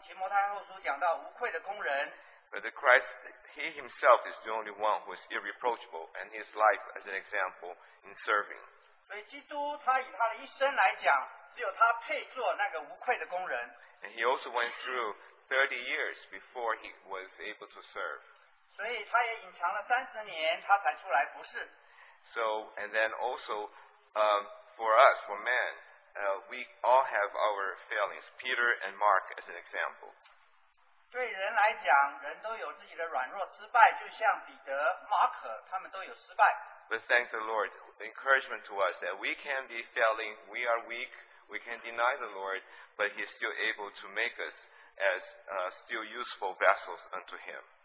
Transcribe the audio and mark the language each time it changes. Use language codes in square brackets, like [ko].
[zh] 那么我是照着讲员交通的次序来交通的，所以在接下来讲到陈弟兄的分享，陈弟兄就用提摩太后书讲到无愧的工人。 [en] But the Christ, he himself is the only one who is irreproachable, and his life as an example in serving. [zh] 所以基督他以他的一生来讲，只有他配做那个无愧的工人。 [en] And he also went through 30 years before he was able to serve. [zh] 所以他也隐藏了30年，他才出来服侍。 [en] So, and then also, for us, for men, we all have our failings. Peter and Mark as an example. [zh] 对人来讲,人都有自己的软弱失败,就像彼得,马可,他们都有失败。 [en] But thank the Lord, the encouragement to us that we can be failing, we are weak, we can deny the Lord, but He is still able to make us as still useful vessels unto Him.